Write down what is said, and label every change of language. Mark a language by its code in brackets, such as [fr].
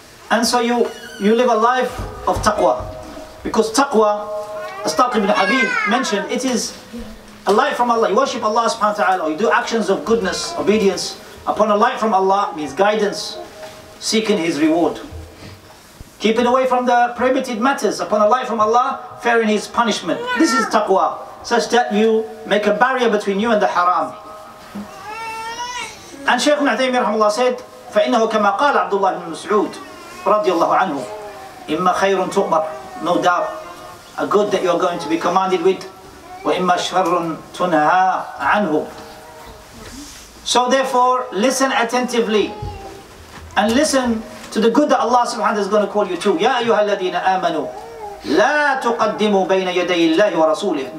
[en] And so you live a life of taqwa. Because taqwa, as Taqib ibn Habib mentioned, it is a light from Allah. You worship Allah subhanahu wa ta'ala, or you do actions of goodness, obedience, upon a light from Allah, means guidance, seeking His reward. Keeping away from the prohibited matters, upon a light from Allah, fearing His punishment. This is taqwa, such that you make a barrier between you and the haram. And Shaykh Ibn Uthaymeen rahimahullah said, [ar] فَإِنَّهُ كَمَا قَالَ عَبْدُ اللَّهِ بْنُ مُسْعُودِ رَضِيَ اللَّهُ عَنْهُ إِمَّا خَيْرٌ تُؤْمَرُ. [en] No doubt, a good that you're going to be commanded with. [ar] وَإِمَّا شَرٌ تُنْهَا عَنْهُ. [en] So therefore, listen attentively and listen to the good that Allah subhanahu wa ta'ala is going to call you to. [ar] يَا أَيُّهَا الَّذِينَ آمَنُوا لَا تُقَدِّمُوا بَيْنَ يَدَيِ اللَّهِ وَرَسُولِهِ.